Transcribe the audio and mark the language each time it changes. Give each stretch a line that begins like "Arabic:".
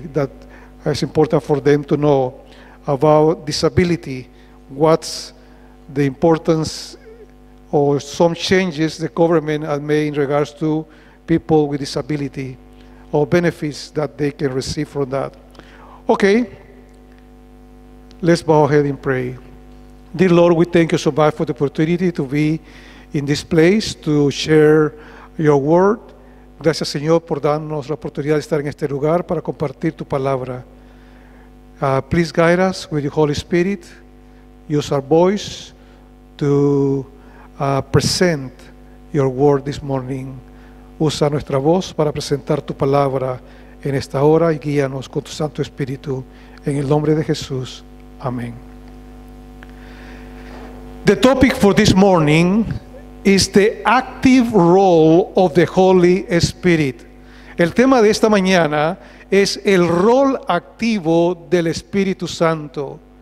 English: That is important for them to know about disability, what's the importance or some changes the government has made in regards to people with disability, or benefits that they can receive from that. Okay, let's bow ahead and pray. Dear Lord, we thank you so much for the opportunity to be in this place to share your word.
Spanish: Gracias, Señor, por darnos la oportunidad de estar en este lugar para compartir tu palabra.
English: Please guide us with your Holy Spirit. Use our voice to present your word this morning.
Spanish: Usa nuestra voz para presentar tu palabra en esta hora y guíanos con tu Santo Espíritu, en el nombre de Jesús. Amén.
English: The topic for this morning is the active role of the Holy Spirit.
Spanish: El tema de esta mañana es el rol activo del Espíritu Santo.